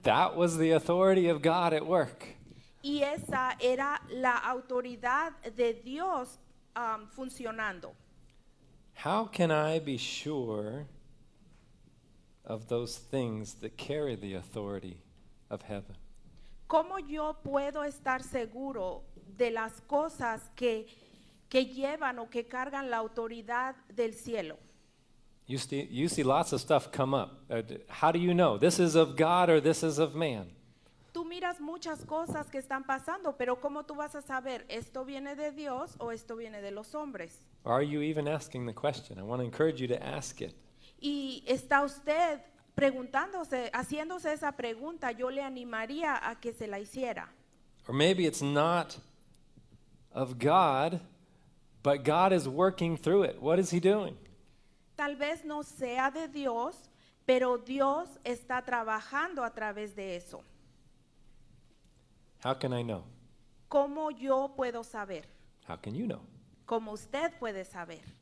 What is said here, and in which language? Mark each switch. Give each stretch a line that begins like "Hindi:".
English: That was the authority of God at work.
Spanish: Y esa era la autoridad de Dios funcionando.
English: How can I be sure of those things that carry the authority of heaven?
Spanish: ¿Cómo yo puedo estar seguro de las cosas que llevan o que cargan la autoridad del cielo?
English: You see lots of stuff come up. How do you know this is of God or this is of man?
Spanish: Tú miras muchas cosas que están pasando, pero ¿cómo tú vas a saber esto viene de Dios o esto viene de los hombres?
English: Or are you even asking the question? I want to encourage you to ask it.
Spanish: Y está usted preguntándose, haciéndose esa pregunta, yo le animaría a que se la hiciera.
English: Or maybe it's not of God, but God is working through it. What is he doing?
Spanish: Tal vez no sea de Dios, pero Dios está trabajando a través de eso.
English: How can I know?
Spanish: ¿Cómo yo puedo saber?
English: How can you know?
Spanish: ¿Cómo usted puede saber?